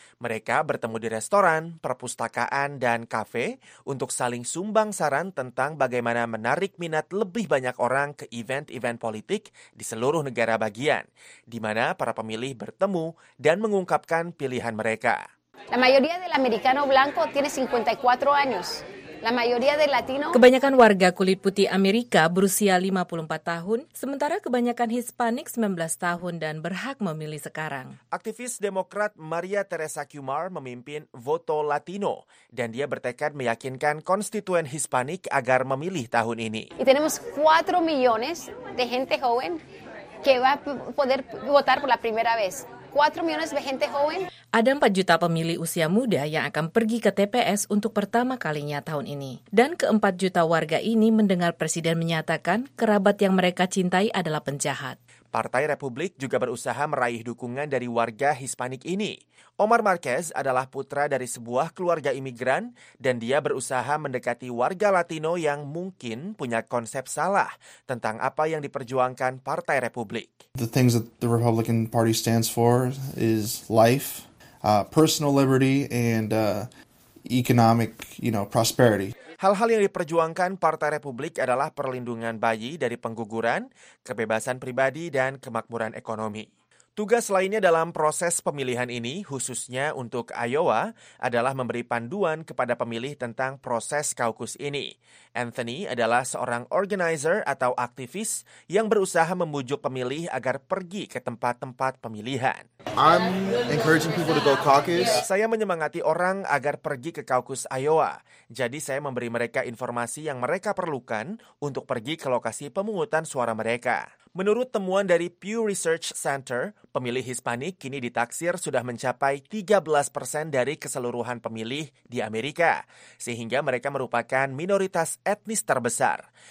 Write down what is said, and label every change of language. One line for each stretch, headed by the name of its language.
Indonesian: Mereka bertemu di restoran, perpustakaan, dan kafe untuk saling sumbang saran tentang bagaimana menarik minat lebih banyak orang ke event-event politik di seluruh negara bagian, di mana para pemilih bertemu dan mengungkapkan pilihan mereka.
Spanish: La mayoría del americano blanco tiene 54 años. La mayoría de latino.
Indonesian: Kebanyakan warga kulit putih Amerika berusia 54 tahun, sementara kebanyakan Hispanik 19 tahun dan berhak memilih sekarang. Aktivis Demokrat Maria Teresa Cumar memimpin Voto Latino dan dia bertekad meyakinkan konstituen Hispanik agar memilih tahun ini.
Spanish: Y tenemos 4 millones de gente joven que va a poder votar por la primera vez. 4 millones de gente joven.
Indonesian: Ada 4 juta pemilih usia muda yang akan pergi ke TPS untuk pertama kalinya tahun ini. Dan ke-4 juta warga ini mendengar presiden menyatakan kerabat yang mereka cintai adalah penjahat. Partai Republik juga berusaha meraih dukungan dari warga Hispanik ini. Omar Marquez adalah putra dari sebuah keluarga imigran dan dia berusaha mendekati warga Latino yang mungkin punya konsep salah tentang apa yang diperjuangkan Partai Republik.
English: The things that the Republican Party stands for is life, personal liberty, and economic, you know, prosperity.
Indonesian: Hal-hal yang diperjuangkan Partai Republik adalah perlindungan bayi dari pengguguran, kebebasan pribadi, dan kemakmuran ekonomi. Tugas lainnya dalam proses pemilihan ini, khususnya untuk Iowa, adalah memberi panduan kepada pemilih tentang proses kaukus ini. Anthony adalah seorang organizer atau aktivis yang berusaha membujuk pemilih agar pergi ke tempat-tempat pemilihan.
English: I'm encouraging people to go caucus.
Indonesian: Saya menyemangati orang agar pergi ke kaukus Iowa. Jadi saya memberi mereka informasi yang mereka perlukan untuk pergi ke lokasi pemungutan suara mereka. Menurut temuan dari Pew Research Center, pemilih Hispanik kini ditaksir sudah mencapai 13% dari keseluruhan pemilih di Amerika, sehingga mereka merupakan minoritas etnis terbesar.